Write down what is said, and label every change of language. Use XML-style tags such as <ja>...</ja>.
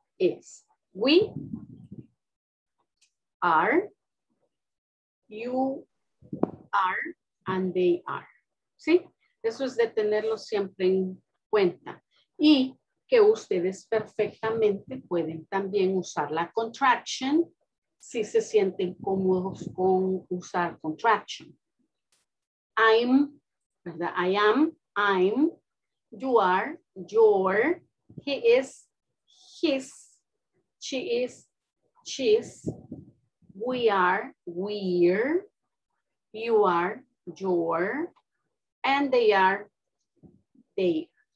<en>Is, we, are, you, are, and they are.</en> <es>¿Sí? Eso es de tenerlo siempre en cuenta. Y que ustedes perfectamente pueden también usar la contraction si se sienten cómodos con usar contraction.</es> <en>I'm, ¿verdad? I am, I'm, you are, you're, he is, his. She is, she's, we are, we're, you are, you're, and they are, they.</en>